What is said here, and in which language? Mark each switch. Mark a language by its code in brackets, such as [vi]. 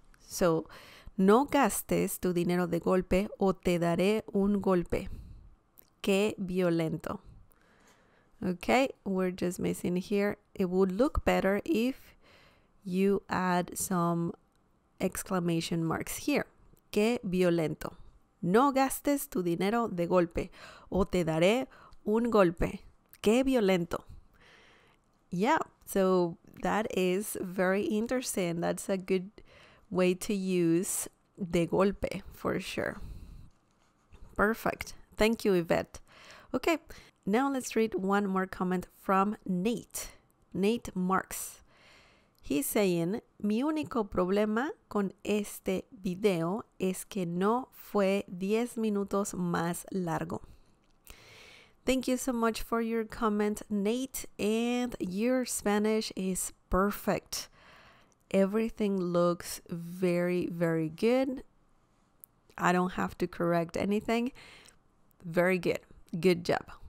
[es] So, no gastes tu dinero de golpe o te daré un golpe. Qué violento. [en] Okay, we're just missing here. It would look better if you add some exclamation marks here. [es] Qué violento. No gastes tu dinero de golpe o te daré un golpe. Qué violento. [en] Yeah, so that is very interesting. That's a good way to use de golpe for sure. Perfect. Thank you, Yvette. Okay, now let's read one more comment from Nate. Nate Marks. He's saying, [es] mi único problema con este video es que no fue 10 minutos más largo. [en] Thank you so much for your comment, Nate, and your Spanish is perfect. Everything looks very, very good. I don't have to correct anything. Very good. Good job.